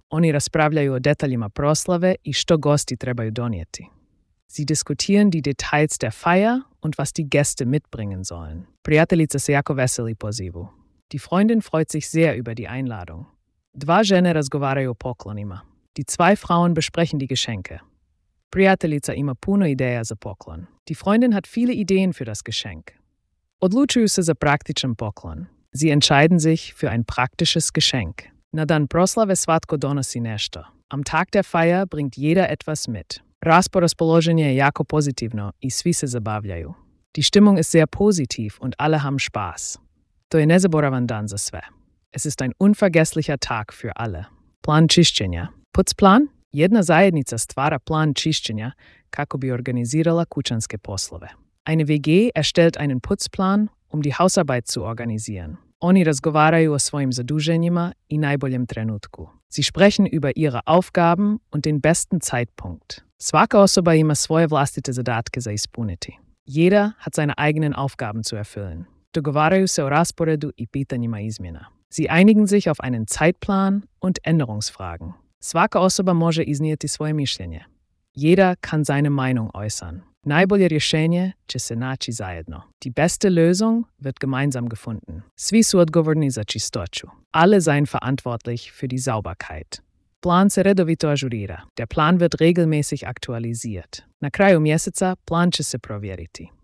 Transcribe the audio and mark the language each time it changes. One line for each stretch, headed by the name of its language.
Croatian: Oni raspravljaju o detaljima proslave i što gosti trebaju donijeti.
German: Sie diskutieren die Details der Feier und was die Gäste mitbringen sollen.
Croatian: Prijateljica se jako veseli pozivu.
German: Die Freundin freut sich sehr über die Einladung.
Croatian: Dva žene razgovaraju o poklonima.
German: Die zwei Frauen besprechen die Geschenke.
Croatian: Prijateljica ima puno ideja za poklon.
German: Die Freundin hat viele Ideen für das Geschenk.
Croatian: Odlučuju se za praktičan poklon.
German: Sie entscheiden sich für ein praktisches Geschenk.
Croatian: Na dan proslave svatko donosi nešto.
German: Am Tag der Feier bringt jeder etwas mit.
Croatian: Rasporaspoloženje je jako pozitivno i svi se zabavljaju.
German: Die Stimmung ist sehr positiv und alle haben Spaß.
Croatian: To je nezaboravan dan za sve.
German: Es ist ein unvergesslicher Tag für alle.
Croatian: Plan čišćenja.
German: Putzplan?
Croatian: Jedna zajednica stvara plan čišćenja kako bi organizirala kućanske poslove.
German: Eine WG erstellt einen Putzplan, um die Hausarbeit zu organisieren.
Croatian: Oni razgovaraju o svojim zaduženjima i najboljem trenutku.
German: Sie sprechen über ihre Aufgaben und den besten Zeitpunkt.
Croatian: Svaka osoba ima svoje vlastite zadatke za ispuniti.
German: Jeder hat seine eigenen Aufgaben zu erfüllen.
Croatian: Dogovaraju se o rasporedu i pitanjima izmjena.
German: Sie einigen sich auf einen Zeitplan und Änderungsfragen.
Croatian: Svaka osoba može iznijeti svoje mišljenje.
German: Jeder kann seine Meinung äußern.
Croatian: Najbolje rješenje će se naći zajedno.
German: Die beste Lösung wird gemeinsam gefunden.
Croatian: Svi su odgovorni za čistoću.
German: Alle seien verantwortlich für die Sauberkeit.
Croatian: Plan se redovito ažurira.
German: Der Plan wird regelmäßig aktualisiert.
Croatian: Na kraju mjeseca plan će se provjeriti.